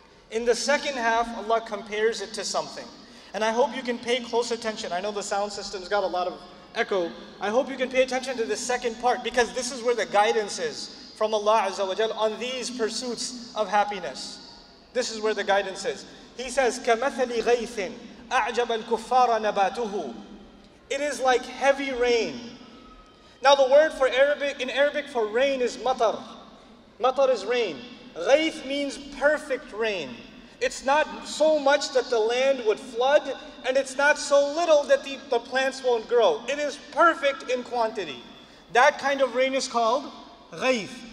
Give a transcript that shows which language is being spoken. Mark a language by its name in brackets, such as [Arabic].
[English] In the second half, Allah compares it to something. And I hope you can pay close attention. I know the sound system's got a lot of echo. I hope you can pay attention to the second part because this is where the guidance is from Allah Azza wa Jal on these pursuits of happiness. This is where the guidance is. He says, [Arabic] كَمَثَلِ غَيْثٍ أَعْجَبَ الْكُفَّارَ نَبَاتُهُ. [English] It is like heavy rain. Now the word for Arabic, in Arabic for rain is matar. Matar is rain. Ghayth means perfect rain. It's not so much that the land would flood, and it's not so little that the plants won't grow. It is perfect in quantity. That kind of rain is called ghayth.